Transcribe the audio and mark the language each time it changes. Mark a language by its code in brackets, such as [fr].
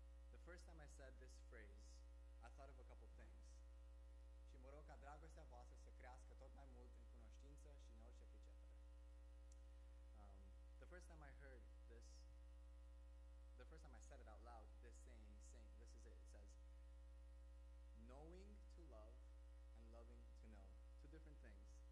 [en] The first time I said this phrase, I thought of a couple things. [ro] Și mă rog ca dragostea voastră să crească tot mai mult în cunoștință și în orice pricepere. [en] The first time I said it out loud, this saying says, knowing to love and loving to know. Two different things.